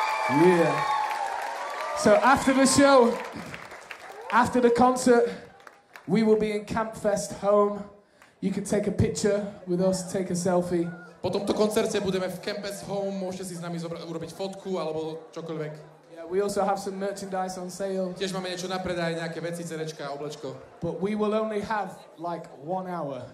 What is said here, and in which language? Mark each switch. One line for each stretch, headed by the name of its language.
English: After the show, after the concert, we will be in Campfest home. You can take a picture with us, take a selfie.
Slovak: Po tomto koncerte budeme v Campfest home, môžete si s nami urobiť fotku alebo čokoľvek.
English: Yeah, we also have some merchandise on sale.
Slovak: Tiež máme niečo na predaj, nejaké veci, cerečka, oblečko.
English: But we will only have like 1 hour.